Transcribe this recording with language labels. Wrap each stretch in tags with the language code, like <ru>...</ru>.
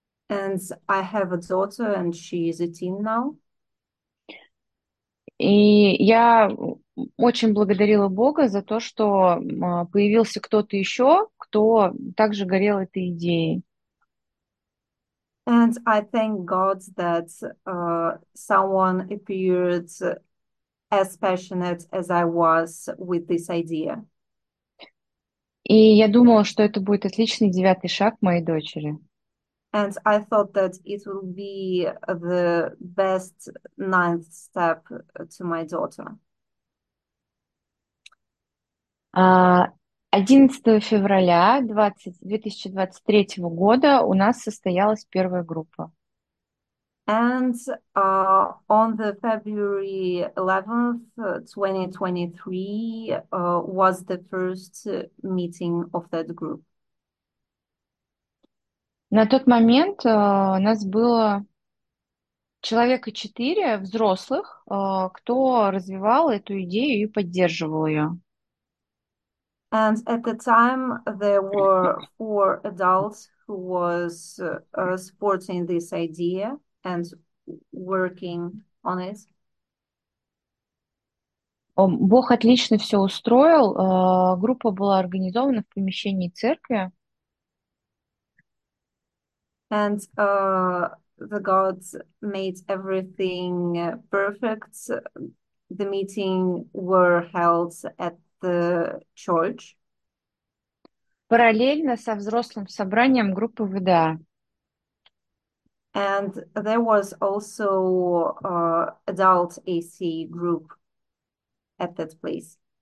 <en>And I have a daughter, and she is a teen now.</en> <ru>И я очень благодарила Бога за то, что появился кто-то еще, кто также горел этой идеей.</ru> <en>And I thank God that someone appeared as passionate as I was with this idea.</en> <ru>И я думала, что это будет отличный девятый шаг моей дочери.</ru> <en>And I thought that it will be the best ninth step to my daughter.</en> <ru>11 февраля 2023 года у нас состоялась первая группа.</ru> <en>And on the February 11th, 2023, was the first meeting of that group.</en> <ru>На тот момент у нас было человека 4 взрослых, кто развивал эту идею и поддерживал ее.</ru> <en>And at the time, there were 4 adults who was supporting this idea and working on it.</en> <ru>Бог отлично все устроил. Группа была организована в помещении церкви.</ru> <en>And the gods made everything perfect. The meeting were held at the church.</en> <ru>Параллельно со взрослым собранием группы ВДА.</ru> <en>And there was also adult AC group at that place.</en>